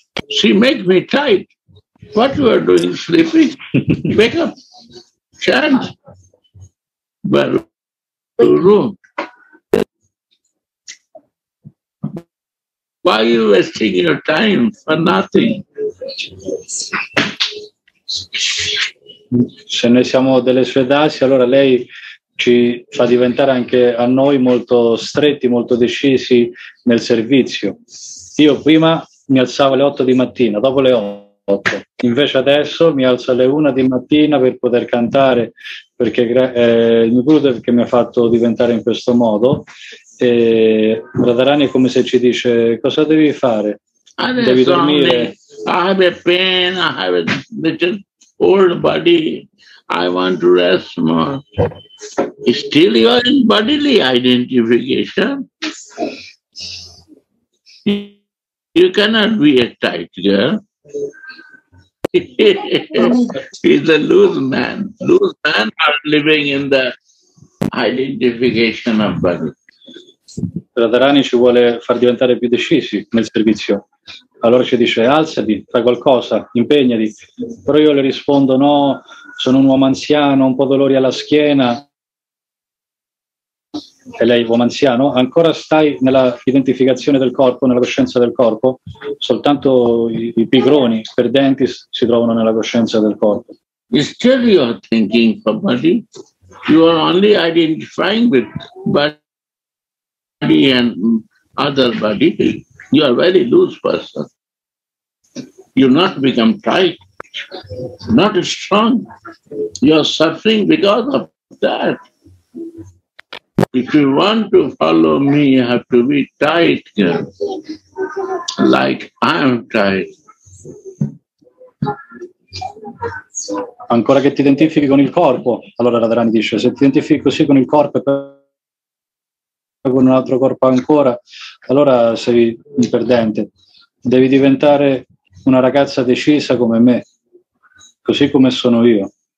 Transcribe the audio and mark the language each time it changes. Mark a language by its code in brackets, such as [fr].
[en] She makes me tight. What you are doing, sleeping? Wake up, chant. Baruru. Why are you wasting your time for nothing? [it] Se noi siamo delle sue dasi, allora lei ci fa diventare anche a noi molto stretti, molto decisi nel servizio. Io prima mi alzavo alle 8 di mattina, dopo le 11. Invece adesso mi alzo alle 1 di mattina per poter cantare, perché il mio Gurudev che mi ha fatto diventare in questo modo. E Radharani è come se ci dice: cosa devi fare? Adesso devi dormire. [en] I have a pain, I have a little old body, I want to rest more. Still you are in bodily identification. You cannot be a tight girl. He's a loose man. Loose men are living in the identification of body. [it] Radharani ci vuole far diventare più decisi nel servizio. Allora ci dice: alzati, fa qualcosa, impegnati. Però io le rispondo: no, sono un uomo anziano, ho un po' dolori alla schiena. E lei, uomo anziano, ancora stai nella identificazione del corpo, nella coscienza del corpo? Soltanto i pigroni perdenti si trovano nella coscienza del corpo. [en] Still you are thinking for body. You are only identifying with body and other body. You are very loose person. You not become tight, not strong. You are suffering because of that. If you want to follow me, you have to be tight, like I am tight. [it] Ancora che ti identifichi con il corpo, allora Radharani dice, se ti identifichi così con il corpo e con un altro corpo ancora, allora sei un perdente. Devi diventare una ragazza decisa come me, così come sono io.